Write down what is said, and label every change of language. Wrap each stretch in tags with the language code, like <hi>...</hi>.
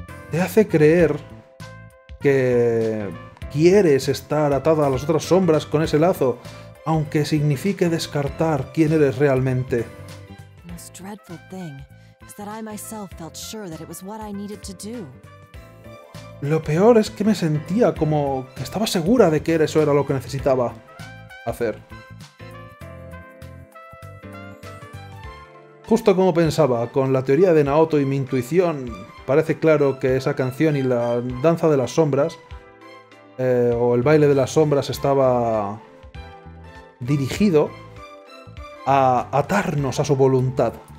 <es>Te hace creer que quieres estar atada a las otras sombras con ese lazo, aunque signifique descartar quién eres realmente.</es> <en>The most dreadful thing is that I myself felt sure that it was what I needed to do.</en> <es>Lo peor es que me sentía como que estaba segura de que eso era lo que necesitaba hacer. Justo como pensaba, con la teoría de Naoto y mi intuición, parece claro que esa canción y la danza de las sombras, o el baile de las sombras, estaba dirigido a atarnos a su voluntad.</es>